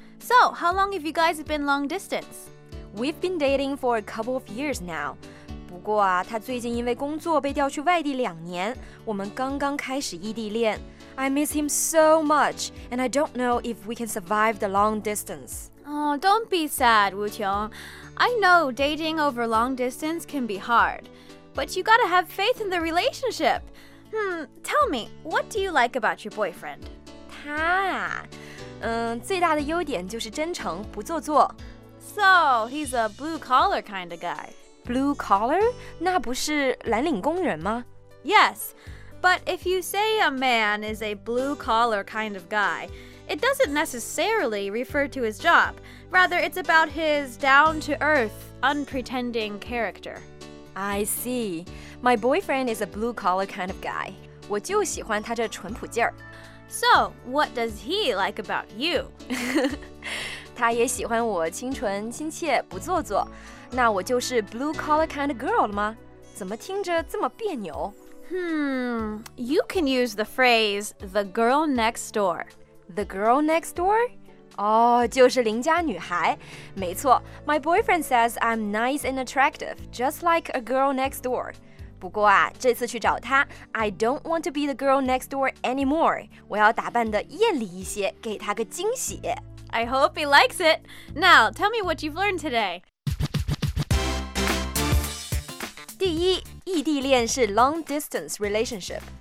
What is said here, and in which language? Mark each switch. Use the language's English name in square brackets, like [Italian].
[English] So, how long have you guys been long-distance? We've been dating for a couple of years now. [Chinese] 不过啊，他最近因为工作被调去外地两年，我们刚刚开始异地恋。 [English] I miss him so much, and I don't know if we can survive the long distance. Oh, don't be sad, Wu Qiong. I know dating over long distance can be hard, but you gotta have faith in the relationship.Tell me, what do you like about your boyfriend? [Chinese] 他他啊，最大的优点就是真诚，不做作。 [English] So, he's a blue-collar kind of guy. [Chinese] Blue-collar? 那不是蓝领工人吗？ [English] Yes, but if you say a man is a blue-collar kind of guy, it doesn't necessarily refer to his job. Rather, it's about his down-to-earth, unpretending character. I see. My boyfriend is a blue-collar kind of guy. [Chinese] 我就喜欢他这淳朴劲儿。 [English] So, what does he like about you? [Chinese] 他也喜欢我清纯亲切不做作，那我就是 [English] blue collar kind of girl [Chinese] 了吗？怎么听着这么别扭？ [English] You can use the phrase the girl next door. The girl next door? [Chinese] 哦，就是邻家女孩。没错， [English] my boyfriend says I'm nice and attractive, just like a girl next door. [Chinese] 不过啊，这次去找他 [English] I don't want to be the girl next door anymore. [Chinese] 我要打扮得艳丽一些，给他个惊喜。 [English] I hope he likes it. Now, tell me what you've learned today. [Chinese] 第一，异地恋是 long distance relationship.